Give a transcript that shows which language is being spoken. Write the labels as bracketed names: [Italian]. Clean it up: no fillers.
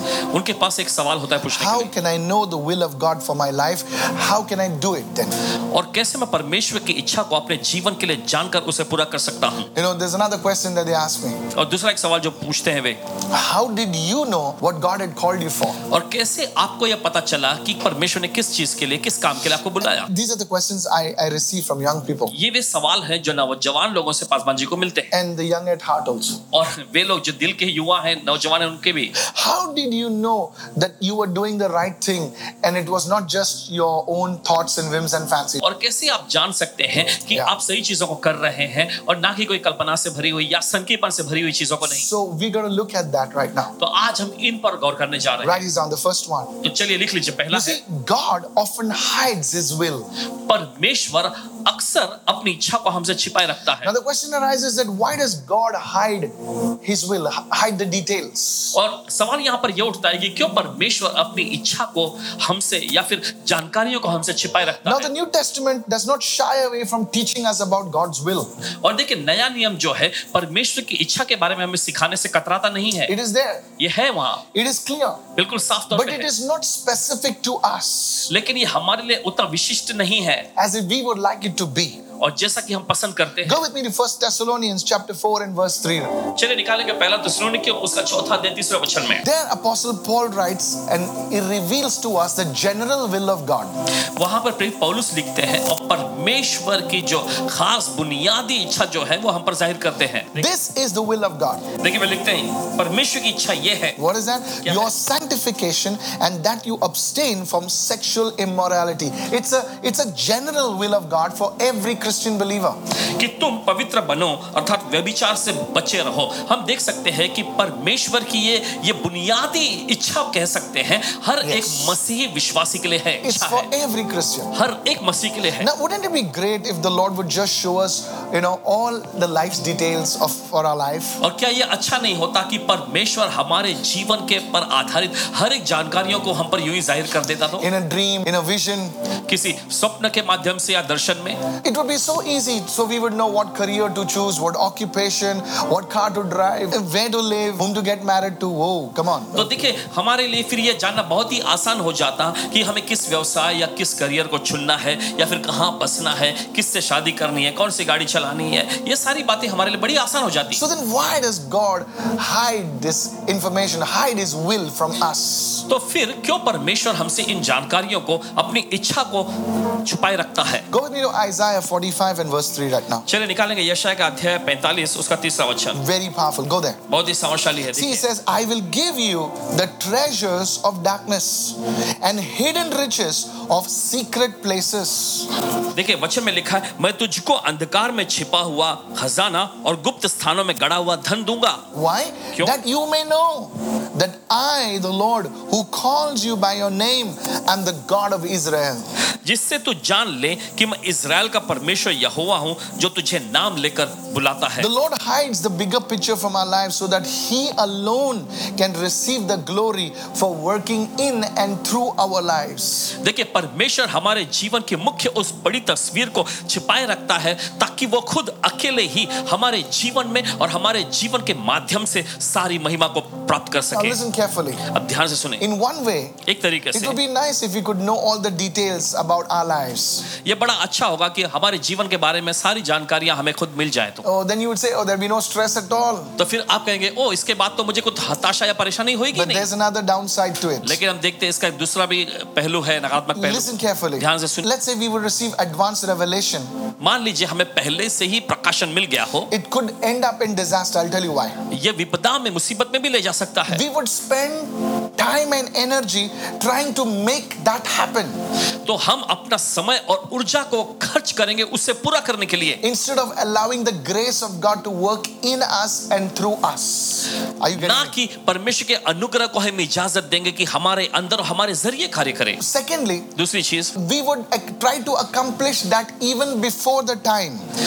[English] How can I know the will of God for my life? How can I do it then? There's another question that they ask me. [Hindi] और दूसरा एक सवाल जो पूछते हैं वे. [English] How did you know what God had called you for? [Hindi] और कैसे आपको यह पता चला कि परमेश्वर ने किस चीज के लिए किस काम के लिए आपको बुलाया? [English] These are the questions I receive from young people. [Hindi] ये वे सवाल हैं जो नौजवान लोगों से पासवान जी को मिलते हैं. [English] And the young at heart also. [Hindi] और वे लोग जो दिल के युवा हैं नौजवान हैं उनके भी. [English] How did you know that you were doing the right thing and it was not just your own thoughts and whims and fancies? [Hindi] और कैसे आप जान सकते हैं कि आप सही चीजों को कर रहे हैं और ना कि कोई कल्पना से भरी हुई या संकीपन से भरी हुई चीजों को नहीं. [English] So we're going to look at that right now. [Hindi] तो आज हम इन पर गौर करने जा रहे हैं. [English] Write it down, the first one. [Hindi] तो चलिए लिख लीजिए पहला है. [English] God often hides his will. [Hindi] परमेश्वर अक्सर अपनी इच्छा को हमसे छिपाए रखता है. [English] Now the question arises that why does God hide his will, hide the details? [Hindi] और सवाल यहाँ पर यह उठता है कि क्यों परमेश्वर अपनी इच्छा को हमसे या फिर जानकारियों को हमसे छिपाए रखता है? [English] Now the New Testament does not shy away from teaching us about God's will. [Hindi] और देखिए नया नियम जो है परमेश्वर की इच्छा के बारे में हमें सिखाने से कतराता नहीं है. [English] It is there. [Hindi] ये है वहाँ. [English] It is clear. [Hindi] बिल्कुल साफ तौर पे. [English] But it is not specific to us. [Hindi] लेकिन ये हमारे लिए उतना विशिष्ट नहीं है. [English] As if we would like it to be. [Hindi] और जैसा कि हम पसंद करते हैं. [English] Go with me to 1 Thessalonians chapter 4 and verse 3. [Hindi] चलिए निकालेंगे पहला तस्सलुनीकियों उसका चौथा अध्याय तीसरे वचन में. [English] There apostle Paul writes and he reveals to us the general will of God. [Hindi] वहां पर प्रेरित पौलुस लिखते हैं और परमेश्वर की जो खास बुनियादी इच्छा जो है वो हम पर जाहिर करते हैं. [English] This is the will of God. [Hindi] देखिए वे लिखते हैं परमेश्वर की इच्छा ये है. [English] What is that? Your sanctification and that you abstain from sexual immorality. It's a general will of God for every Christian believer. [Hindi] कि तुम पवित्र बनो अर्थात व्यभिचार से बचे रहो. हम देख सकते हैं कि परमेश्वर की ये बुनियादी इच्छा कह सकते हैं हर एक मसीही विश्वासी के लिए है. [English] It's for every Christian. [Hindi] हर एक मसीह के लिए है. [English] Now wouldn't it be great if the Lord would just show us, you know, all the life's details of for our life? [Hindi] और क्या ये अच्छा नहीं होता कि परमेश्वर हमारे जीवन के पर आधारित हर एक जानकारियों को हम पर यूं ही जाहिर कर देता तो? [English] In a dream, in a vision, [Hindi] किसी स्वप्न के माध्यम से या दर्शन में. [English] It would be so easy, so we would know what career to choose, what occupation, what car to drive, where to live, whom to get married to. Oh, come on. [Hindi] तो देखिए हमारे लिए फिर ये जानना बहुत ही आसान हो जाता कि हमें किस व्यवसाय या किस करियर को चुनना है या फिर कहाँ बसना है, किससे शादी करनी है, कौन सी गाड़ी चलानी है. ये सारी बातें हमारे लिए बड़ी आसान हो जाती. [English] So then why does God hide this information, hide his will from us? [Hindi] तो फिर क्यों परमेश्वर हमसे इन जानकारियों को अपनी इच्छा को छुपाए रखता है? [English] Go with me to Isaiah 45 and verse 3 right now. [Hindi] चलिए निकालेंगे यशायाह का अध्याय 45 उसका तीसरा वचन. [English] Very powerful. Go there. [Hindi] बहुत ही शक्तिशाली है. [English] See, he says, I will give you the treasures of darkness and hidden riches of secret places. [Hindi] देखिए वचन में लिखा है मैं तुझको अंधकार में छिपा हुआ खजाना और गुप्त स्थानों में गड़ा हुआ धन दूंगा. [English] Why? [Hindi] क्यों? [English] That you may know that I, the Lord, who calls you by your name, am the God of Israel. [Hindi] जिससे तू जान ले कि मैं इज़राइल का परमेश्वर यहोवा हूँ जो तुझे नाम लेकर बुलाता है. [English] The Lord hides the bigger picture from our lives so that He alone can receive the glory for working in and through our lives. [Hindi] देखिए परमेश्वर हमारे जीवन के मुख्य उस बड़ी तस्वीर को छिपाए रखता है ताकि वो खुद अकेले ही हमारे जीवन में और हमारे जीवन के माध्यम से सारी महिमा को प्राप्त कर सके. [English] Now listen carefully. [Hindi] अब ध्यान से सुने. [English] In one way, [Hindi] एक तरीके से, [English] it would be nice if we could know all the details about our lives. [Hindi] ये बड़ा अच्छा होगा कि हमारे जीवन के बारे में सारी जानकारियां हमें खुद मिल जाए तो. [English] Oh, then you would say, oh, there'd be no stress at all. [Hindi] तो फिर आप कहेंगे, oh, इसके बाद तो मुझे कुछ हताशा या परेशानी होगी नहीं. [English] But there's another downside to it. [Hindi] लेकिन हम देखते हैं इसका एक दूसरा भी पहलू है, नकारात्मक पहलू. [English] Listen carefully. [Hindi] ध्यान से सुन. [English] Let's say we would receive advanced revelation. [Hindi] मान लीजिए हमें पहले से ही प्रकाशन मिल गया हो. [English] It could end up in disaster. I'll tell you why. [Hindi] ये विपदा में, मुसीबत में भी ले जा सकता है. [English] We would spend time and energy trying to make that happen. [Hindi] तो हम अपना समय और ऊर्जा को खर्च करेंगे उसे पूरा करने के लिए. [English] Instead of allowing the grace of God to work in us and through us. Are you getting [Hindi] ना कि परमेश्वर के अनुग्रह को हम इजाजत देंगे कि हमारे अंदर और हमारे जरिए कार्य करें. [English] Secondly, [Hindi] दूसरी चीज, [English] we would try to accomplish that even before the time.